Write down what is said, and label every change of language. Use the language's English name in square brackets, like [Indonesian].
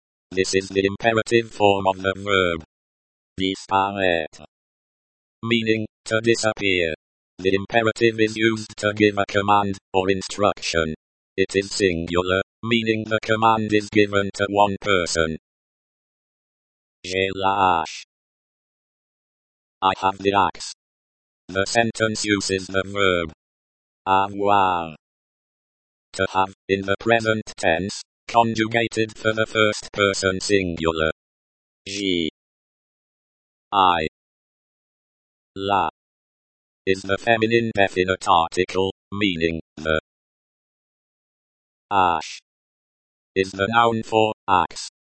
[English] This is the imperative form of the verb disparaître, meaning to disappear. The imperative is used to give a command or instruction. It is singular, meaning the command is given to one person. [French] J'ai la hache. [English] I have the axe. The sentence uses the verb avoir to have in the present tense, conjugated for the first person singular. J'ai la is the feminine definite article, meaning the hache is the noun for axe.